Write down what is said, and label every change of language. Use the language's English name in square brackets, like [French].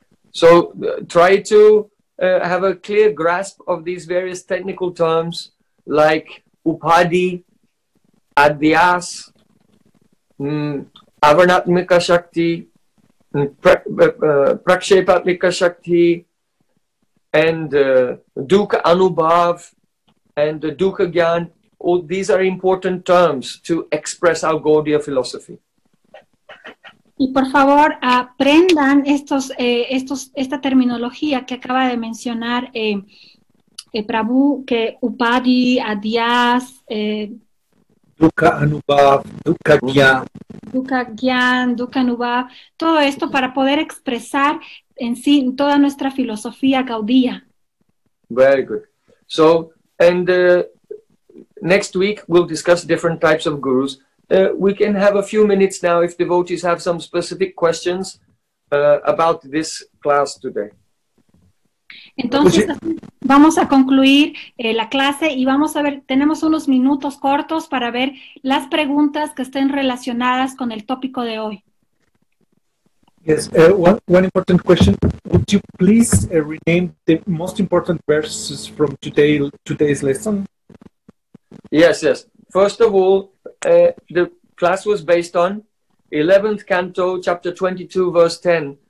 [English] So, try to have a clear grasp of these various technical terms like Upadhi, Adhyas, Avanatmika Shakti, Prakshepatmika Shakti, and Dukkha Anubhav, and Dukkha Gyan. All these are important terms to express our Gaudiya philosophy. [Spanish] Y por favor, aprendan esta terminología que acaba de mencionar Prabhu, que Upadhi, Adhyas, Dukkha Anubhav, Dukkha Gyan. Dukkha Gyan, Dukkha Anubhav, todo esto para poder expresar en sí toda nuestra filosofía Gaudiya. [English] Very good. So, and next week we'll discuss different types of gurus. We can have a few minutes now if devotees have some specific questions about this class today. [Spanish] Entonces, vamos a concluir la clase y vamos a ver, tenemos unos minutos cortos para ver las preguntas que estén relacionadas con el tópico de hoy. [English] Yes, one important question. Would you please rename the most important verses from today's lesson? Yes, yes. First of all, the class was based on 11th canto, chapter 22, verse 10.